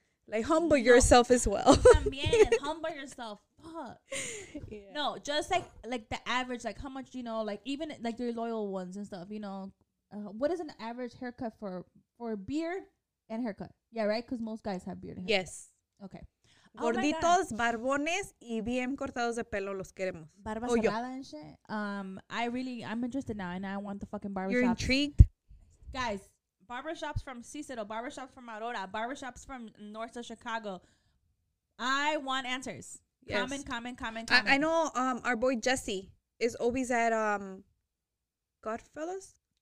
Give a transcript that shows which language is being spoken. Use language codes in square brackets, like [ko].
[en] Like, humble yourself as well. [es] También, [en] humble yourself. Fuck. Yeah. No, just like the average, like how much, you know, like even like your loyal ones and stuff, you know. What is an average haircut for beard and haircut? Yeah, right? Because most guys have beard and haircut. Yes. Okay. [es] Gorditos, barbones, y bien cortados de pelo los queremos. Barba cerrada [en] and shit. I'm interested now, and I want the fucking barbershop. You're intrigued? Guys. Barbershops from Cicero, barbershops from Aurora, barbershops from north of Chicago. I want answers. Yes. Comment. I know our boy Jesse is always at Godfellas.